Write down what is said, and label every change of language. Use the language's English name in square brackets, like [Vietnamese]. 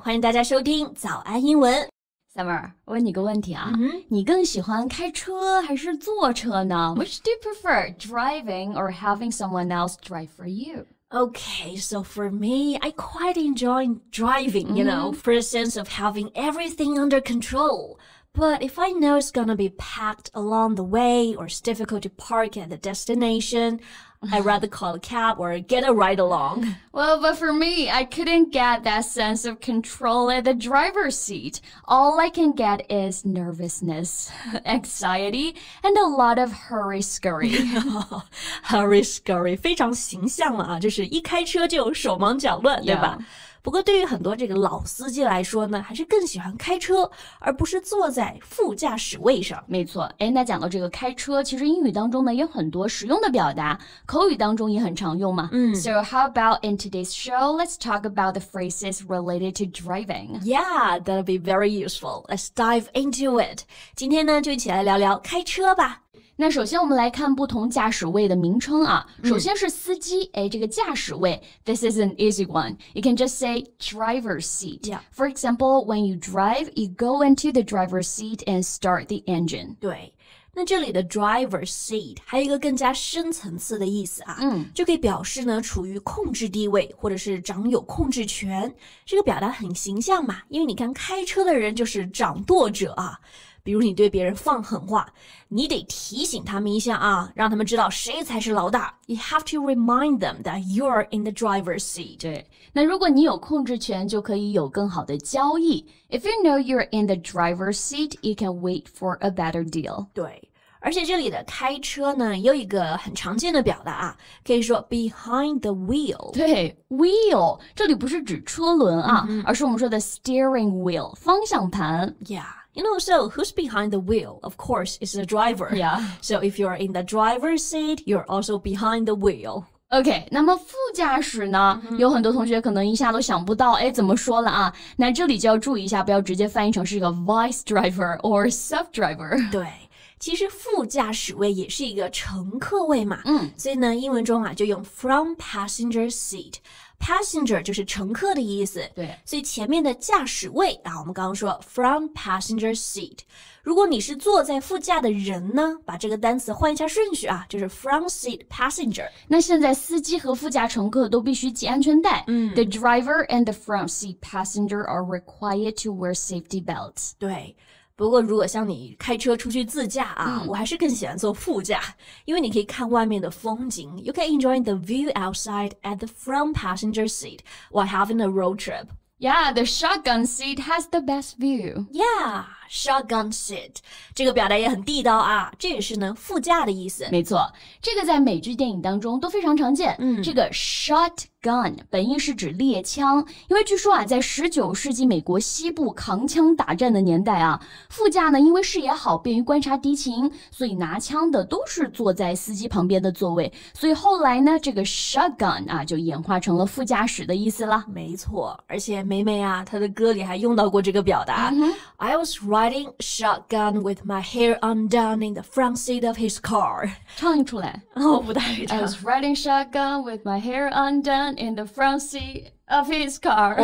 [Chinese] 欢迎大家收听早安英文。 Summer, 我问你个问题啊、mm-hmm. 你更喜欢开车还是坐车呢 [English] Which do you prefer, driving or having someone else drive for you? Okay, so for me, I quite enjoy driving, you know,、mm-hmm. for a sense of having everything under control. But if I know it's gonna be packed along the way or it's difficult to park at the destination, I'd rather call a cab or get a ride along. Well, but for me, I couldn't get that sense of control at the driver's seat. All I can get is nervousness, anxiety, and a lot of hurry-scurry. [Chinese] Hurry-scurry, 非常形象了啊，就是一开车就手忙脚乱，对吧？不过对于很多这个老司机来说呢还是更喜欢开车而不是坐在副驾驶位上。没错，诶，那讲到这个开车其实英语当中呢也有很多实用的表达口语当中也很常用嘛。嗯。 [English] So how about in today's show, let's talk about the phrases related to driving. Yeah, that'll be very useful. Let's dive into it. [Chinese] 今天呢就一起来聊聊开车吧。那首先我们来看不同驾驶位的名称啊。首先是司机、嗯、诶这个驾驶位 [English] This is an easy one. You can just say driver's seat.、 Yeah. For example, when you drive, you go into the driver's seat and start the engine. [Chinese] 对。那这里的 driver's seat 还有一个更加深层次的意思啊、嗯、就可以表示呢处于控制地位或者是掌有控制权。这个表达很形象嘛因为你看开车的人就是掌舵者啊。比如你对别人放狠话你得提醒他们一下啊让他们知道谁才是老大。 [English] You have to remind them that you're in the driver's seat. [Chinese] 对。那如果你有控制权就可以有更好的交易。 [English] If you know you're in the driver's seat, you can wait for a better deal. [Chinese] 对。而且这里的开车呢有一个很常见的表达啊可以说 behind the wheel 对 wheel 这里不是指车轮啊、mm-hmm. 而是我们说的 steering wheel 方向盘 [English] Yeah, you know, so who's behind the wheel? Of course, it's the driver Yeah So if you're in the driver's seat, you're also behind the wheel [Chinese] OK, 那么副驾驶呢、mm-hmm. 有很多同学可能一下都想不到诶怎么说了啊那这里就要注意一下不要直接翻译成是一个 [English] vice driver or sub driver [Chinese] 对其实副驾驶位也是一个乘客位嘛、嗯、所以呢英文中啊就用 front passenger seat passenger 就是乘客的意思对所以前面的驾驶位啊我们刚刚说 front passenger seat 如果你是坐在副驾的人呢把这个单词换一下顺序啊就是 front seat passenger 那现在司机和副驾乘客都必须系安全带、嗯、 [English] the driver and the front seat passenger are required to wear safety belts [Chinese] 对不过如果像你开车出去自驾啊、嗯、我还是更喜欢坐副驾因为你可以看外面的风景 [English] You can enjoy the view outside at the front passenger seat while having a road trip. Yeah, the shotgun seat has the best view. Yeah, shotgun seat. [Chinese] 这个表达也很地道啊这也是呢副驾的意思。没错这个在美剧电影当中都非常常见、嗯、这个 shotgun 本意是指猎枪因为据说啊在19世纪美国西部扛枪打战的年代啊副驾呢因为视野好便于观察敌情所以拿枪的都是坐在司机旁边的座位所以后来呢这个 shotgun 啊就演化成了副驾驶的意思了没错而且美美啊她的歌里还用到过这个表达、 mm-hmm. [English] I was riding shotgun with my hair undone in the front seat of his car [Chinese] 唱出来、哦、不太会唱 [English] I was riding shotgun with my hair undone in the front seatOf his car.